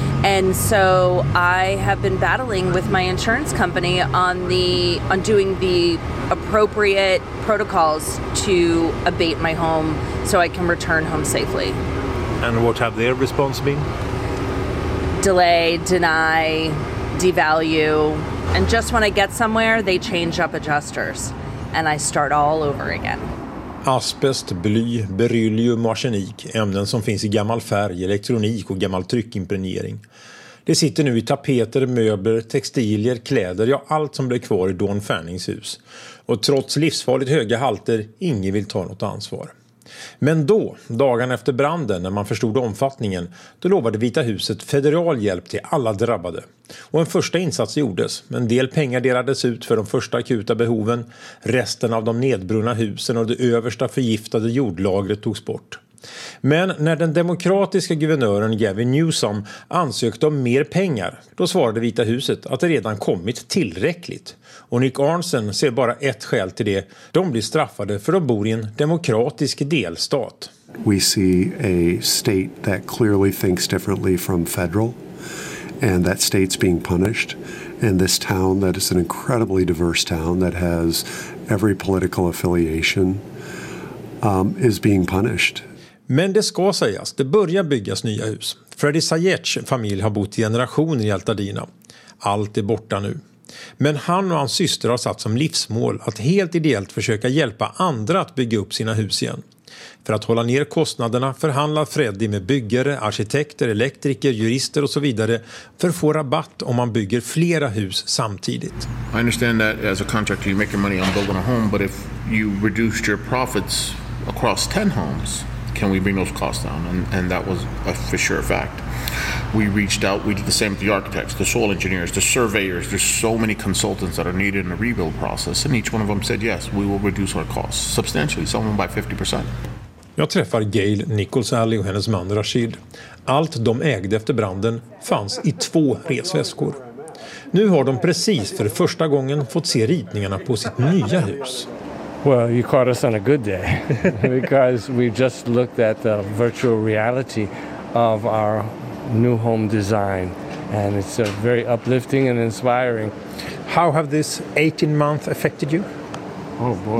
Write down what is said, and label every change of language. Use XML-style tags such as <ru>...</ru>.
<en>And so I have been battling with my insurance company on doing the appropriate protocols to abate my home so I can return home safely. And what have their response been? Delay, deny. devalue, and just when I get somewhere, they change up adjusters, and I start all over again.</en> <sv>Asbest, bly, beryllium och arsenik, ämnen som finns i gammal färg, elektronik och gammal tryckimpregnering. Det sitter nu i tapeter, möbler, textilier, kläder, ja allt som blir kvar i Dawn Fannings hus. Och trots livsfarligt höga halter, ingen vill ta något ansvar. Men då, dagen efter branden, när man förstod omfattningen, då lovade Vita huset federal hjälp till alla drabbade. Och en första insats gjordes. En del pengar delades ut för de första akuta behoven. Resten av de nedbrunna husen och det översta förgiftade jordlagret togs bort. Men när den demokratiska guvernören Gavin Newsom ansökte om mer pengar, då svarade Vita huset att det redan kommit tillräckligt. Och Nick Arnson ser bara ett skäl till det. De blir straffade för att de bor i en demokratisk delstat.</sv> <en>We see a state that clearly thinks differently from federal, and that state's being punished. And this town that is an incredibly diverse town that has every political affiliation is being punished.</en> <sv>Men det ska sägas, det börjar byggas nya hus. Freddy Sajets familj har bott i generationer i Altadena. Allt är borta nu. Men han och hans syster har satt som livsmål att helt ideellt försöka hjälpa andra att bygga upp sina hus igen. För att hålla ner kostnaderna förhandlar Freddy med byggare, arkitekter, elektriker, jurister och så vidare för att få rabatt om man bygger flera hus samtidigt.</sv> <en>I understand that as a contractor you make your money on building a home, but if you reduced your profits across 10 homes, can we bring those costs down? And that was a for sure fact. We reached out, we did the same with the architects, the soil engineers, the surveyors. There's so many consultants that are needed in the rebuild process. And each one of them said, yes, we will reduce our costs substantially, some of them by 50%.</en> <sv>Jag träffar Gail Nichols-Ally och hennes man Rashid. Allt de ägde efter branden fanns i två resväskor. Nu har de precis för första gången fått se ritningarna på sitt nya hus.</sv> <en>Well, you caught us on a good day because we just looked at the virtual reality of our new home design, and it's a very uplifting and inspiring. How have this 18 month affected you? Oh boy.</en>